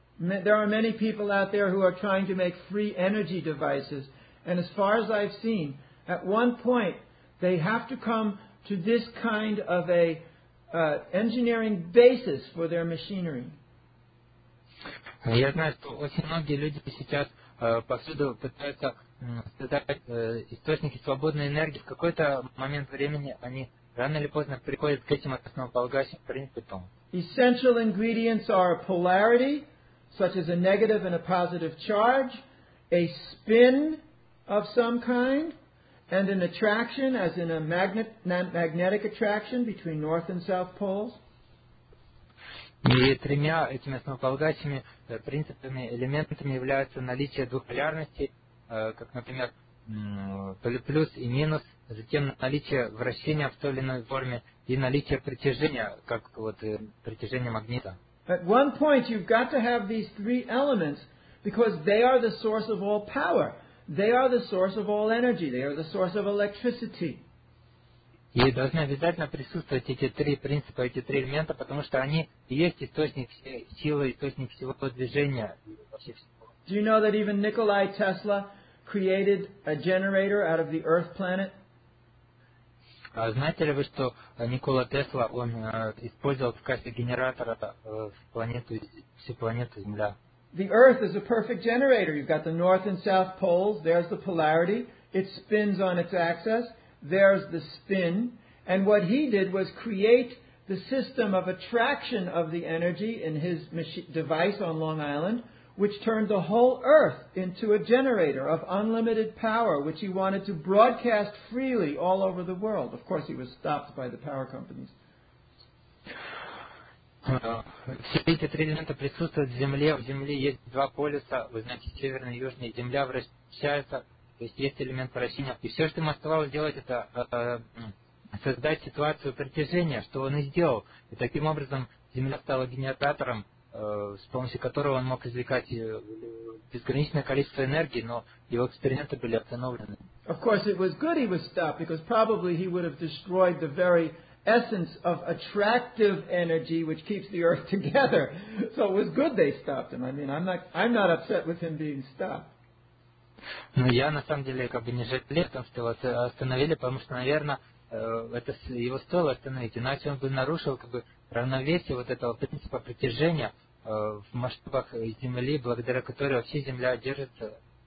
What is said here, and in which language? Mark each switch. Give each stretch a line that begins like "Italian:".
English: There are many people out there who are trying to make free energy devices, and as far as I've seen, at one point they have to come to this kind of a engineering basis for their machinery.
Russian: Я знаю, что очень многие люди сейчас повсюду пытаются создать источники свободной энергии. В какой-то момент времени они рано или поздно приходят к этим основополагающим принципам.
English: Essential ingredients are polarity, such as a negative and a positive charge, a spin of some kind, and an attraction, as in a magnetic attraction between north and south poles.
Russian: И тремя этими основополагающими принципами, элементами являются наличие двух полярностей, как, например, плюс и минус, затем наличие вращения в той или иной форме и наличие притяжения, как вот притяжение магнита.
English: At one point you've got to have these three elements because they are the source of all power. They are the source of all energy. They are the source of electricity.
Russian: И должны обязательно присутствовать эти три принципа, эти три элемента, потому что они и есть источник силы, источник всего движения.
English: Do you know that even Nikolai Tesla created a generator out of the Earth planet?
Russian: Знаете ли вы, что Никола Тесла, он использовал в качестве генератора всю планету Земля?
English: The Earth is a perfect generator. You've got the north and south poles. There's the polarity. It spins on its axis. There's the spin. And what he did was create the system of attraction of the energy in his device on Long Island, which turned the whole Earth into a generator of unlimited power, which he wanted to broadcast freely all over the world. Of course, he was stopped by the power companies.
Russian: Все эти три элемента присутствуют в Земле. В Земле есть два полюса, вы знаете, северный и южный. Земля вращается, то есть есть элемент вращения. И все, что ему оставалось делать, это создать ситуацию притяжения, что он и сделал. И таким образом Земля стала генератором, с помощью которого он мог извлекать безграничное количество энергии, но его эксперименты были остановлены.
English: Of course, it was good he was stopped, because probably he would have destroyed the very essence of attractive energy which keeps the earth together. So it was good they stopped him. I mean, I'm not upset with him being stopped.
Russian: Ну, я на самом деле как бы не жалею о том, что его остановили, потому что, наверное, это его стоило остановить, иначе он бы нарушил как бы равновесие вот этого принципа притяжения в масштабах Земли, благодаря которой вся Земля держится.